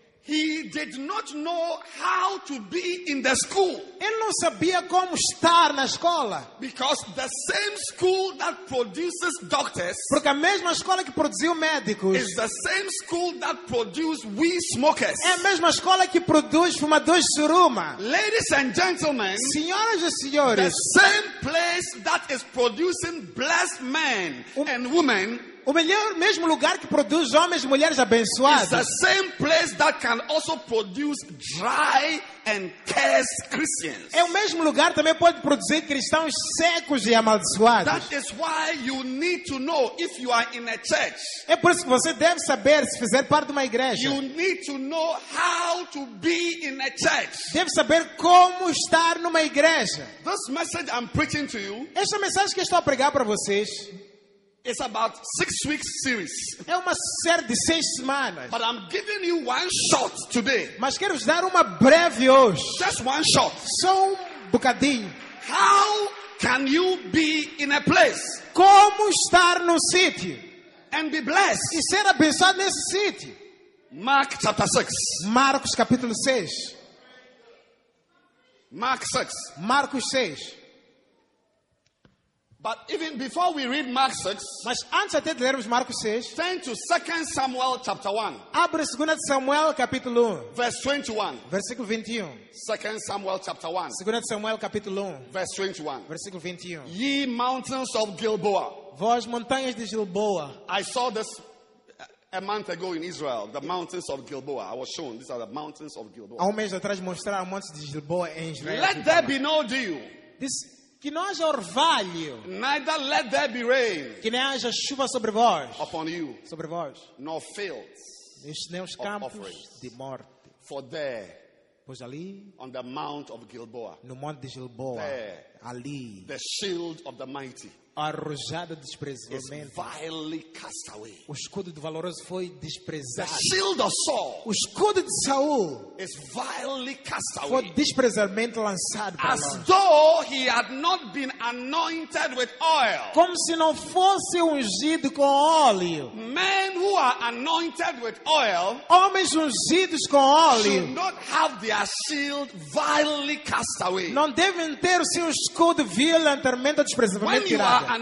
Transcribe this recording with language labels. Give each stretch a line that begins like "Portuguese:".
English: He did not know how to be in the school.
Portuguese: Ele não sabia como estar na escola.
English: Because the same school that produces doctors,
Portuguese: porque a mesma escola que produziu médicos,
English: is the same school that produces weed smokers.
Portuguese: É a mesma escola que produz fumadores de suruma.
English: Ladies and gentlemen,
Portuguese: senhoras e senhores,
English: the same place that is producing blessed men and women.
Portuguese: O mesmo lugar que produz homens e mulheres abençoados.
English: It's the same place that can also produce dry and cursed Christians.
Portuguese: É o mesmo lugar também pode produzir cristãos secos e amaldiçoados.
English: That is why you need to know if you are in a church.
Portuguese: É por isso que você deve saber se fizer parte de uma igreja.
English: You need to know how to be in a church.
Portuguese: Deve saber como estar numa igreja.
English: This message I'm preaching to you.
Portuguese: Essa mensagem que estou a pregar para vocês.
English: It's about 6 weeks series.
Portuguese: É uma série de 6 semanas.
English: But I'm giving you one shot today.
Portuguese: Mas quero dar uma breve hoje.
English: Just one shot.
Portuguese: Só bocadinho.
English: How can you be in a place?
Portuguese: Como estar num sítio?
English: And be blessed.
Portuguese: E ser abençoado nesse sítio?
English: Mark chapter 6.
Portuguese: Marcos capítulo 6.
English: Mark 6.
Portuguese: Marcos 6.
English: But even before we read Mark 6,
Portuguese: mas antes até de lermos Marcos 6,
English: turn to 2 Samuel chapter 1.
Portuguese: Abre 2 Samuel capítulo 1.
English: Verse 21.
Portuguese: Versículo 21.
English: 2 Samuel chapter 1.
Portuguese: 2 Samuel capítulo 1.
English: Verse 21.
Portuguese: Versículo 21.
English: Ye mountains of Gilboa.
Portuguese: Vós montanhas de Gilboa.
English: I saw this a month ago in Israel, the mountains of Gilboa. I was shown these are the mountains of Gilboa.
Portuguese: Há mês atrás mostraram montes de Gilboa em Israel.
English: Let there be no dew.
Portuguese: This que não haja orvalho.
English: Neither let there be rain.
Portuguese: Que não haja chuva sobre vós.
English: Upon you.
Portuguese: Sobre vós.
English: Nor fields.
Portuguese: Nem os campos de morte.
English: For there.
Portuguese: Pois ali.
English: On the mount of Gilboa.
Portuguese: No monte de Gilboa.
English: There.
Portuguese: Ali.
English: The shield of the mighty.
Portuguese: A arrojada desprezivelmente.
English: Is vilely cast away.
Portuguese: O escudo do valoroso foi desprezado.
English: The shield of Saul.
Portuguese: O escudo de Saul.
English: Is vilely cast away.
Portuguese: Foi desprezivelmente lançado para
English: longe. As though he had not been anointed with oil.
Portuguese: Como se não fosse ungido com óleo.
English: Men who are anointed with oil.
Portuguese: Homens ungidos com óleo.
English: Should not have their shield vilely cast away.
Portuguese: Não devem ter o seu escudo violentamente desprezivelmente tirado.